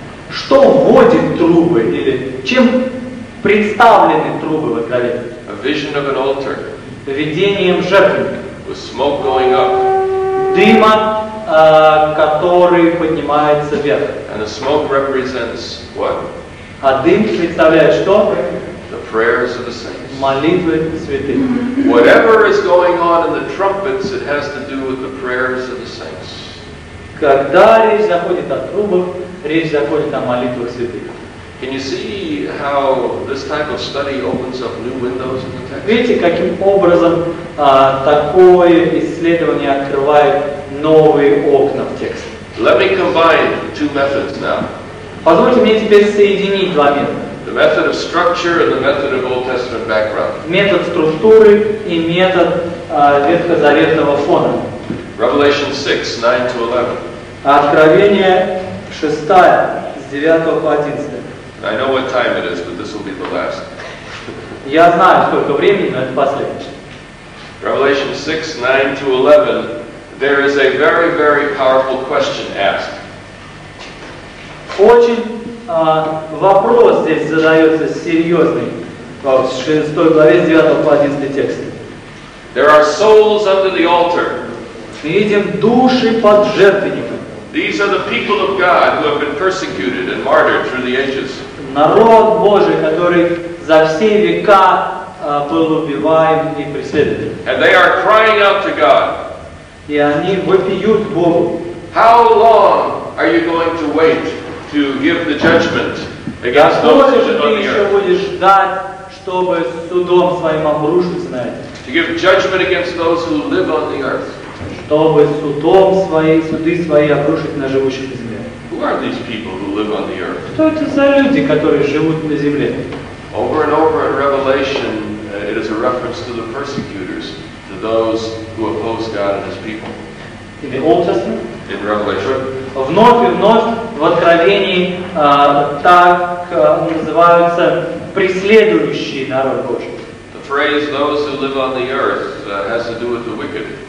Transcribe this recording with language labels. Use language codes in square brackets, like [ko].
[ru] Что вводит трубы или чем представлены трубы в Откровении? [en] A vision of an altar. [ru] Видением жертвенника. [en] With smoke going up. [ru] Дыма, который поднимается вверх. [en] And the smoke represents what? [ru] А дым представляет что? [en] The prayers of the saints. [ru] Молитвы святых. [en] Whatever is going on in the trumpets, it has to do with the prayers of the saints. [ru] Когда речь заходит о трубах, речь заходит о молитвах святых. [en] Can you see how this type of study opens up new windows in the text? [ru] Видите, каким образом такое исследование открывает новые окна в текст? [en] Let me combine two methods now. [ru] Позвольте мне теперь соединить два метода. [en] The method of structure and the method of Old Testament background. [ru] Метод структуры и метод ветхозаветного фона. [en] Revelation 6, 9 to 11. [ru] Откровение 6, с 9 по 11. [en] I know what time it is, but this will be the last. [ru] Я знаю, сколько времени, но это последнее. [en] Revelation 6, 9 to 11. There is a very, very powerful question asked. [ru] Очень вопрос здесь задается серьезный. В 6 главе, с 9 по 11 текст. [en] There are souls under the altar. [ru] Мы видим души под жертвенником. [en] These are the people of God who have been persecuted and martyred through the ages. [ru] Народ Божий, который за все века был убиваем и преследован. [en] And they are crying out to God. [ru] И они вопиют Богу. [en] How long are you going to wait to give the judgment against those who are on the earth? [ru] Ты еще будешь ждать, чтобы судом своим обрушиться на это? [en] To give judgment against those who live on the earth. [ru] Чтобы судом своей, суды свои обрушить на живущих на земле. [en] Who are these people who live on the earth? [ru] Кто это за люди, которые живут на земле? [en] Over and over in Revelation, it is a reference to the persecutors, to those who oppose God and His people. In the Old Testament? In Revelation. [ru] Вновь и вновь в Откровении так называются преследующие народ Божий. [en] The phrase "those who live on the earth" has to do with the wicked.